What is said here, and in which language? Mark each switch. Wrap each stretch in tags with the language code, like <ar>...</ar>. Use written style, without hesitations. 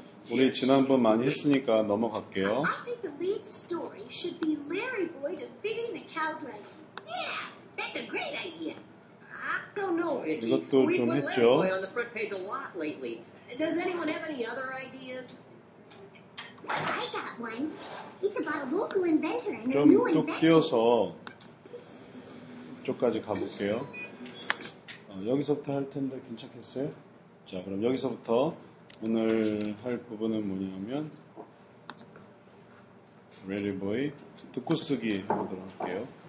<ko>우리 지난번 많이 했으니까 넘어갈게요.</ko> <en>I think the lead story should be Larry Boy defeating the Cow Dragon. Yeah, that's a great idea. I don't know, Ricky.</en> <ko>이것도 좀 했죠.</ko> <en>We've put Larry Boy on the front page a lot lately. Does anyone have any other ideas? I got one. It's about a local inventor and a new invention.</en> <ko>좀 뚝 뛰어서 이쪽까지 가볼게요. 여기서부터 할 텐데 괜찮겠어요? 자, 그럼 여기서부터 오늘 할 부분은 뭐냐면 Ready Boy 듣고 쓰기 해보도록 할게요.</ko>